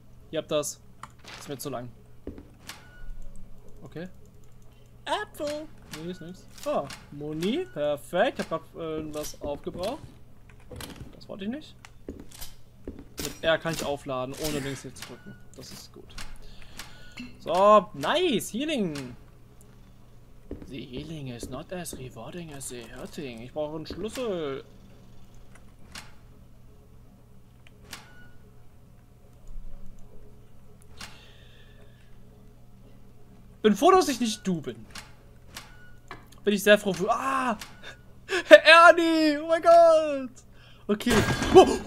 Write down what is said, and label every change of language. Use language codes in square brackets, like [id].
[de] Ihr habt das. Das ist mir zu lang. Okay. Apfel! Nee, ist nichts. Oh, Muni. Perfekt. Ich hab was aufgebraucht. Das wollte ich nicht. Mit R kann ich aufladen, ohne links hier zu drücken. Das ist gut. So, nice. Healing. [en] The healing is not as rewarding as the hurting. [de] Ich brauche einen Schlüssel. Bin froh, dass ich nicht du bin. Bin ich sehr froh für... Ah! Herr Ernie! Oh mein Gott! Okay. Oh.